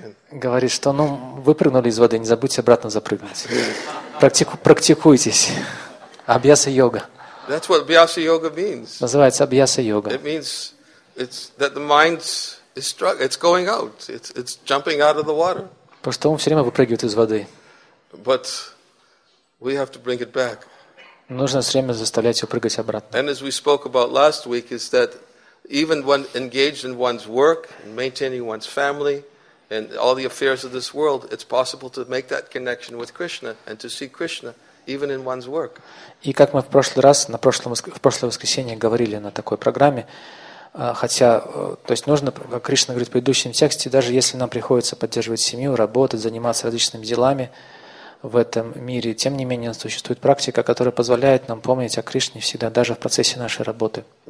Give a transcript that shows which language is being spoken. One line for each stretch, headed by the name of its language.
Russian: Говорит, что ну, выпрыгнули из воды, не забудьте обратно запрыгнуть. Практикуйтесь. Абьяса йога.
English: That's what Abhyasa Yoga means.
Russian: Называется Абьяса йога.
English: It means it's that the mind is struck, it's going out, it's jumping out of the water.
Russian: Потому что ум все время выпрыгивает из воды.
English: But we have to bring it back.
Russian: Нужно все время заставлять его прыгать обратно.
English: And as we spoke about last week, is that even when engaged in one's work, in maintaining one's family, and all the affairs of this world, it's possible to make that connection with Krishna and to see Krishna even in one's work.
Russian: И как мы в прошлый раз, в прошлое воскресенье говорили на такой программе, хотя, то есть нужно, как Кришна говорит в предыдущем тексте, даже если нам приходится поддерживать семью, работать, заниматься различными делами, в этом мире, тем не менее, существует практика, которая позволяет нам помнить о Кришне всегда, даже в процессе нашей работы.